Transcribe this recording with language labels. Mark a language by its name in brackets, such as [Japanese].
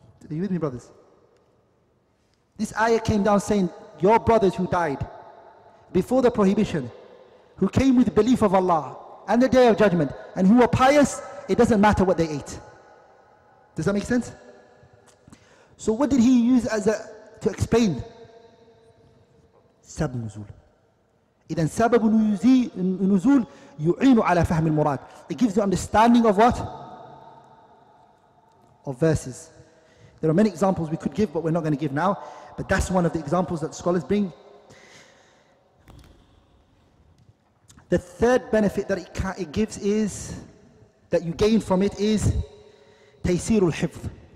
[English] Are you with me, brothers? This ayah came down saying, your brothers who died before the prohibition, who came with the belief of Allah and the day of judgment, and who were pious, it doesn't matter what they ate. Does that make sense? So what did he use as a to explain? [Arabic] سبب نزول. إذن سبب نزول يعين على فهم المراد. [English] It gives you understanding of what? Of verses. There are many examples we could give, but we're not going to give now. But that's one of the examples that scholars bring. The third benefit that it gives is, that you gain from it is تيسير الحفظ.